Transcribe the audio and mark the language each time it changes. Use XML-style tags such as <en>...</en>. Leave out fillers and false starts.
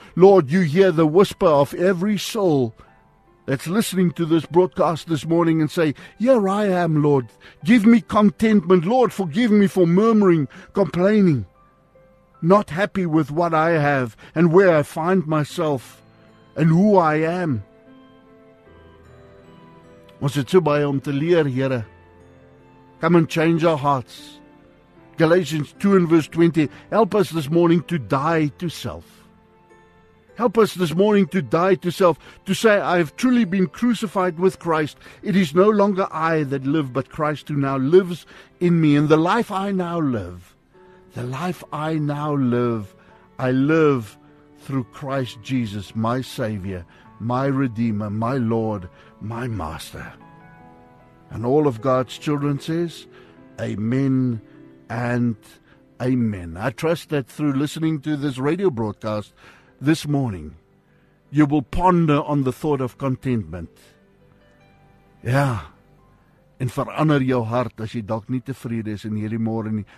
<en>Lord, you hear the whisper of every soul that's listening to this broadcast this morning and say, here I am, Lord. Give me contentment. Lord, forgive me for murmuring, complaining, not happy with what I have and where I find myself and who I am.</en> <af>Ons het so baie om te leer, Here.</af> <en>Come and change our hearts. Galatians 2 and verse 20. Help us this morning to die to self. Help us this morning to die to self, to say, I have truly been crucified with Christ. It is no longer I that live, but Christ who now lives in me. And the life I now live, I live through Christ Jesus, my Savior, my Redeemer, my Lord, my Master. And all of God's children says, Amen and Amen. I trust that through listening to this radio broadcast this morning, you will ponder on the thought of contentment. Yeah.</en> <af>En verander jou hart as jy dalk nie tevrede is in hierdie môre nie.</af>